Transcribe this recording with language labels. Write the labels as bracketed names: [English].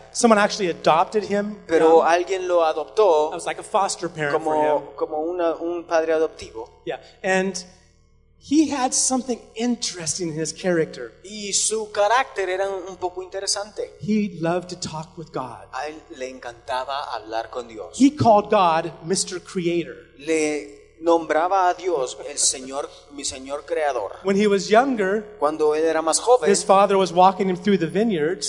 [English] Someone actually adopted him. [Spanish] Pero alguien lo adoptó. [English] I was like a foster parent [Spanish] como, [English] for him. [Spanish] Como un padre adoptivo. [English] Yeah, and he had something interesting in his character. [Spanish] Y su carácter era un poco interesante. [English] He loved to talk with God. [Spanish] A él le encantaba hablar con Dios. [English] He called God Mr. Creator. [Spanish] Le nombraba a Dios el Señor, mi Señor Creador. [English] When he was younger, [Spanish] cuando él era más joven, [English] his father was walking him through the vineyards.